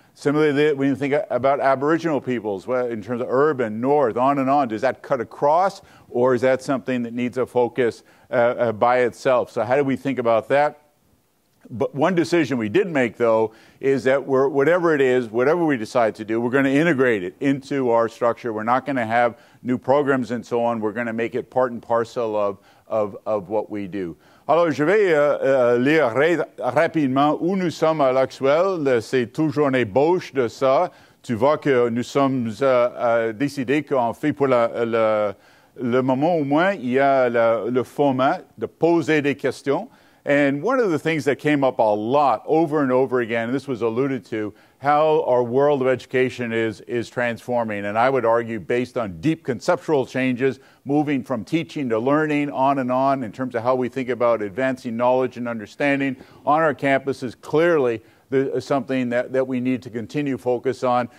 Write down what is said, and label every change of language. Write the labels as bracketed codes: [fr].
[en] Similarly, when you think about Aboriginal peoples, well, in terms of urban, north, on, does that cut across, or is that something that needs a focus by itself? So how do we think about that? But one decision we did make, though, is that whatever we decide to do, we're going to integrate it into our structure. We're not going to have new programs and so on. We're going to make it part and parcel of what we do. [fr] Alors, je vais lire rapidement où nous sommes à l'actuel. C'est toujours une ébauche de ça. Tu vois que nous sommes décidés qu'on fait pour la, la, le moment au moins, il y a le format de poser des questions. [en] And one of the things that came up a lot over and over again, and this was alluded to, how our world of education is transforming. And I would argue based on deep conceptual changes, moving from teaching to learning, on and on, in terms of how we think about advancing knowledge and understanding on our campuses, clearly something that we need to continue focus on.